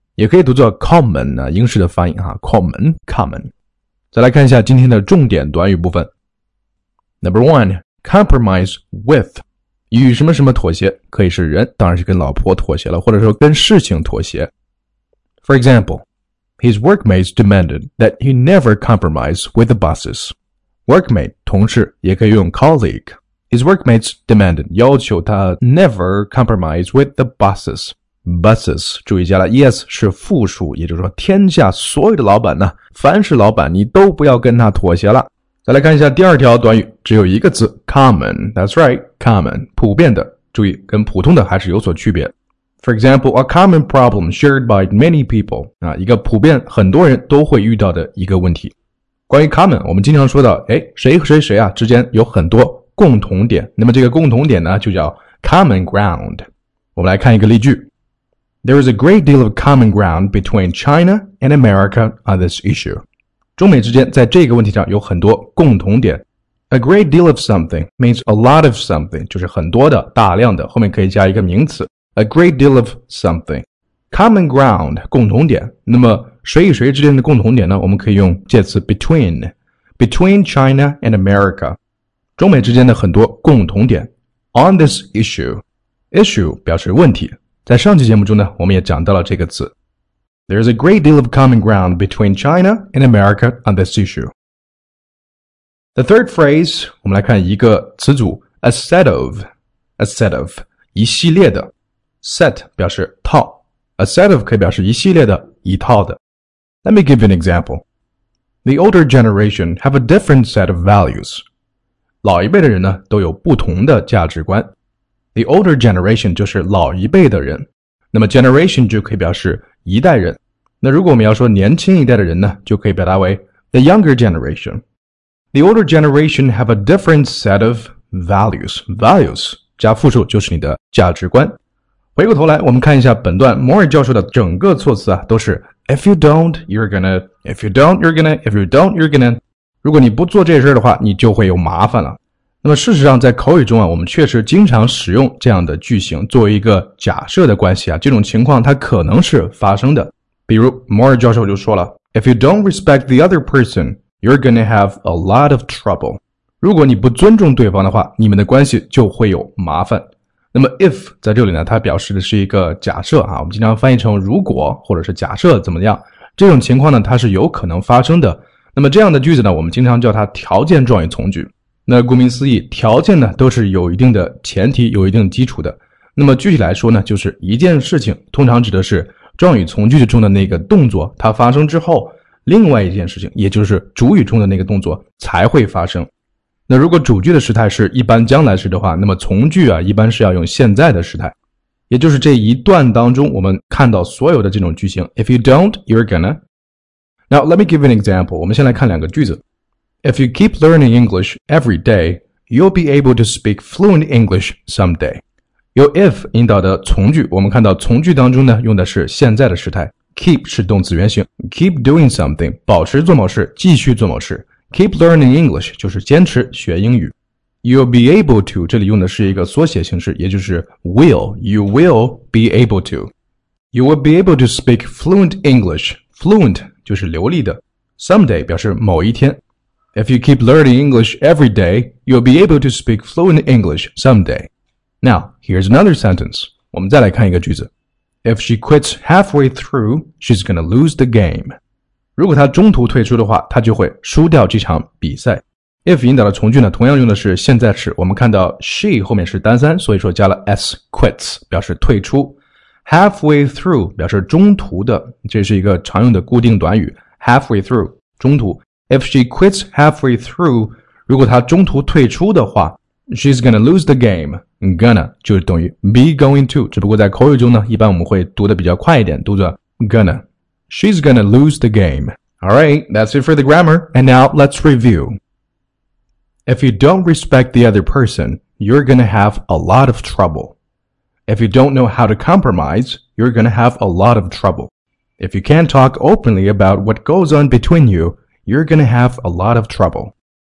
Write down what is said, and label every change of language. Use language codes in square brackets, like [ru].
[zh] 也可以读作 common 啊，英式的发音啊 common 再来看一下今天的重点短语部分 [en] Number one compromise with [zh] 与什么什么妥协可以是人当然是跟老婆妥协了或者说跟事情妥协 [en] For example His workmates demanded that he never compromise with the bosses [zh] Workmate 同事也可以用 colleague [en] His workmates demanded, [zh] 要求他 [en] never compromise with the bosses. [zh] Bosses, 注意一下了 ,yes 是复数，也就是说天下所有的老板呢，凡是老板你都不要跟他妥协了。再来看一下第二条短语，只有一个字 common, [en] that's right, [zh] common, 普遍的，注意跟普通的还是有所区别。 [en] For example, a common problem shared by many people, [zh] 啊，一个普遍很多人都会遇到的一个问题。关于 common, 我们经常说到，诶，谁和谁谁啊之间有很多共同点，那么这个共同点呢就叫 [en] common ground。我们来看一个例句， There is a great deal of common ground between China and America on this issue。 [zh] 中美之间在这个问题上有很多共同点。 [en] A great deal of something means a lot of something， [zh] 就是很多的，大量的，后面可以加一个名词， [en] A great deal of something， common ground， 共同点。 [zh] 那么谁与谁之间的共同点呢，我们可以用介词 between， [en] between China and America， [zh] 中美之间的很多共同点。 [en] On this issue， [zh] issue 表示问题，在上期节目中呢我们也讲到了这个词。 [en] There is a great deal of common ground between China and America on this issue. The third phrase， [zh] 我们来看一个词组， [en] a set of， a set of， [zh] 一系列的。 set 表示套， [en] a set of [zh] 可以表示一系列的，一套的。 [en] Let me give you an example. The older generation have a different set of values. [zh] 老一辈的人呢都有不同的价值观。 [en] The older generation [zh] 就是老一辈的人。那么 generation 就可以表示一代人。那如果我们要说年轻一代的人呢，就可以表达为 [en] the younger generation。 The older generation have a different set of values. [zh] Values 加复数就是你的价值观。回过头来我们看一下本段 Moore 教授的整个措辞啊，都是 [en] if you don't, you're gonna, if you don't, you're gonna, if you don't, you're gonna, [zh] 如果你不做这事的话你就会有麻烦了。那么事实上在口语中啊，我们确实经常使用这样的句型作为一个假设的关系啊，这种情况它可能是发生的。 [en] 比如 Moore 教授就说了， If you don't respect the other person, you're gonna have a lot of trouble. [zh] 如果你不尊重对方的话，你们的关系就会有麻烦。那么 if 在这里呢，它表示的是一个假设啊，我们经常翻译成如果或者是假设怎么样，这种情况呢它是有可能发生的。那么这样的句子呢，我们经常叫它条件状语从句。那顾名思义，条件呢都是有一定的前提，有一定基础的。那么具体来说呢，就是一件事情通常指的是状语从句中的那个动作，它发生之后，另外一件事情，也就是主语中的那个动作才会发生。那如果主句的时态是一般将来时的话，那么从句啊，一般是要用现在的时态。也就是这一段当中，我们看到所有的这种句型 ， [en] If you don't, you're gonna。 Now, let me give you an example. [zh] 我们先来看两个句子。 [en] If you keep learning English every day, you'll be able to speak fluent English someday. [zh] 由 if 引导的从句，我们看到从句当中呢，用的是现在的时态。 Keep 是动词原形。 [en] Keep doing something, [zh] 保持做某事，继续做某事。 [en] Keep learning English, [zh] 就是坚持学英语。 [en] You'll be able to, [zh] 这里用的是一个缩写形式，也就是 [en] will, you will be able to. You will be able to speak fluent English, [zh] fluent,就是流利的。Someday 表示某一天。 [en] If you keep learning English every day, you'll be able to speak fluent English someday. Now, here's another sentence. [zh] 我们再来看一个句子。 [en] If she quits halfway through, she's gonna lose the game. [zh] 如果她中途退出的话，她就会输掉这场比赛。 If 引导的从句呢，同样用的是现在时。我们看到 she 后面是单三，所以说加了 s, quits, 表示退出。 Halfway through 表示中途的，这是一个常用的固定短语。 [en] Halfway through [zh] 中途。 [en] If she quits halfway through, [zh] 如果她中途退出的话， [en] she's gonna lose the game. [zh] Gonna 就等于 [en] be going to， [zh] 只不过在口语中呢，一般我们会读的比较快一点，读着 gonna. [en] She's gonna lose the game. All right, that's it for the grammar. And now let's review. If you don't respect the other person, you're gonna have a lot of trouble. If you don't know how to compromise, you're gonna have a lot of trouble. If you can't talk openly about what goes on between you, you're gonna have a lot of trouble.